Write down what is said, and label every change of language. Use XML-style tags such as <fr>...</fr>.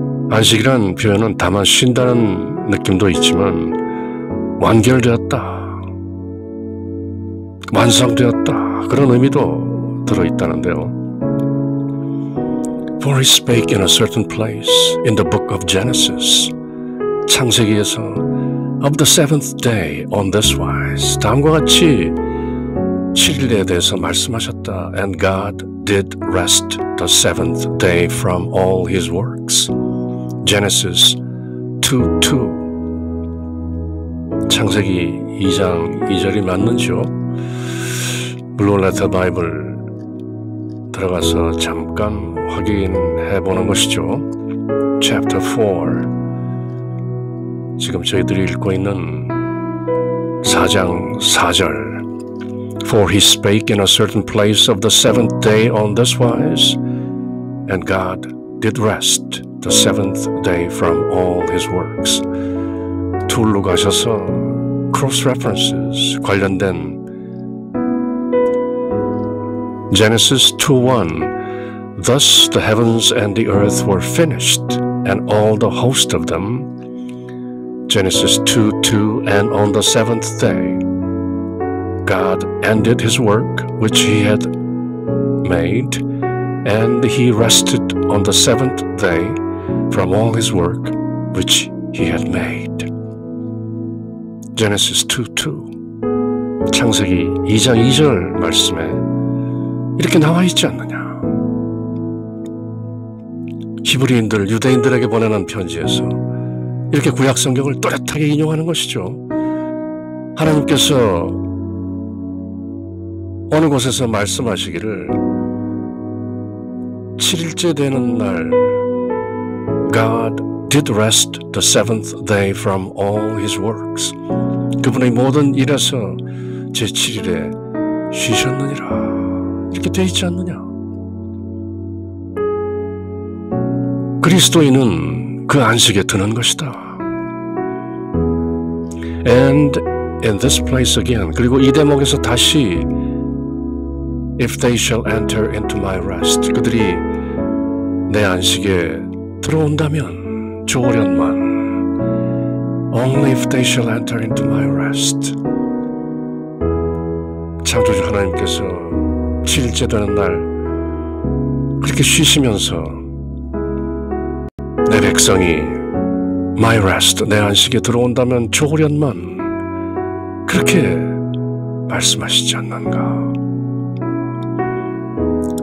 <ko>안식이란 표현은 다만 쉰다는 느낌도 있지만 완결되었다, 완성되었다 그런 의미도 들어있다는데요.</ko> <en>For he spake in a certain place in the book of Genesis.</en> <ko>창세기에서</ko> <en>of the seventh day on this wise.</en> <ko>다음과 같이 7일에 대해서 말씀하셨다.</ko> <en>And God did rest the seventh day from all his works. Genesis 2:2.</en> <ko>창세기 2장 2절이 맞는지요? 블루레터 바이블 들어가서 잠깐 확인해 보는 것이죠.</ko> <en>Chapter 4.</en> <ko>지금 저희들이 읽고 있는 4장 4절.</ko> <en>For he spake in a certain place of the seventh day on this wise, and God did rest the seventh day from all his works.</en> <ko>툴로 가셔서 cross references 관련된 Genesis 2:1.</ko> <en>Thus the heavens and the earth were finished, and all the host of them. Genesis 2:2. And on the seventh day, God ended his work which he had made, and he rested on the seventh day from all his work which he had made. Genesis 2:2.</en> <ko>창세기 2장 2절 말씀에 이렇게 나와 있지 않느냐. 히브리인들, 유대인들에게 보내는 편지에서 이렇게 구약 성경을 또렷하게 인용하는 것이죠. 하나님께서 어느 곳에서 말씀하시기를 7일째 되는 날</ko> <en>God did rest the seventh day from all his works.</en> <ko>그분의 모든 일에서 제7일에 쉬셨느니라. 이렇게 돼 있지 않느냐. 그리스도인은 그 안식에 드는 것이다.</ko> <en>And in this place again.</en> <ko>그리고 이 대목에서 다시</ko> <en>If they shall enter into my rest.</en> <ko>그들이 내 안식에 들어온다면 조련만.</ko> <en>Only if they shall enter into my rest.</en> <ko>창조주 하나님께서 7일째 되는 날 그렇게 쉬시면서 내 백성이</ko> <en>My rest,</en> <ko>내 안식에 들어온다면 좋으련만 그렇게 말씀하시지 않는가.</ko>